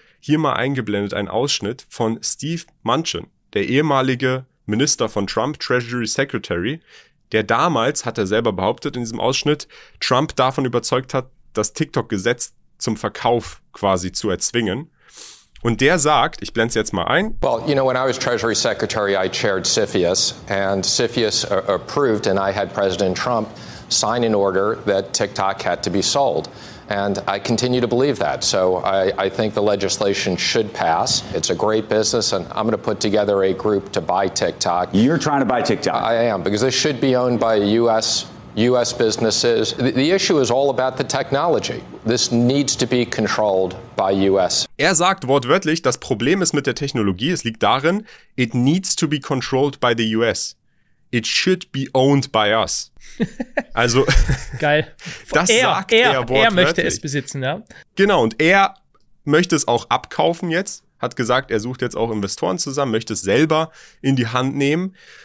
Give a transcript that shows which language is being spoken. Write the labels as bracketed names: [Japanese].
[German] hier mal eingeblendet ein Ausschnitt von Steve Manchin, der ehemalige Minister von Trump, Treasury Secretary, der damals, hat er selber behauptet in diesem Ausschnitt, Trump davon überzeugt hat, das TikTok-Gesetz zum Verkauf quasi zu erzwingen. Und der sagt, ich blende es jetzt mal ein. [English] Well, you know, when I was Treasury Secretary, I chaired CFIUS and CFIUS approved and I had President Trump sign an order that TikTok had to be sold. And I continue to believe that. So I think the legislation should pass. It's a great business and I'm going to put together a group to buy TikTok. You're trying to buy TikTok? I am, because this should be owned by U.S. businesses. The issue is all about the technology. This needs to be controlled by U.S. [German] Er sagt wortwörtlich, das Problem ist mit der Technologie. Es liegt darin, [English] it needs to be controlled by the U.S. It should be owned by us. Also, [German] geil. Das sagt er wortwörtlich. Er möchte es besitzen, ja. Genau, und er möchte es auch abkaufen jetzt. Hat gesagt, er sucht jetzt auch Investoren zusammen, möchte es selber in die Hand nehmen.